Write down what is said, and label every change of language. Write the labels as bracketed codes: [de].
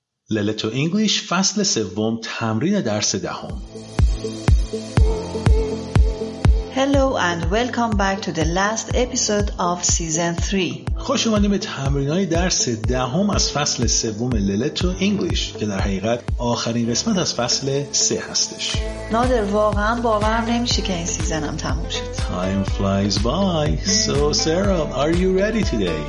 [fa] لیلتو انگلیش فصل سوم تمرین درس دهم. [en] Hello and welcome back to the last episode of season 3. [fa] خوش اومدیم به تمرین‌های درس دهم از فصل سوم لیلتو انگلیش که در حقیقت آخرین قسمت از فصل 3 هستش. نادر واقعا باورم نمیشه که این سیزن هم تموم شد. [en] Time flies by. So Sarah, are you ready today?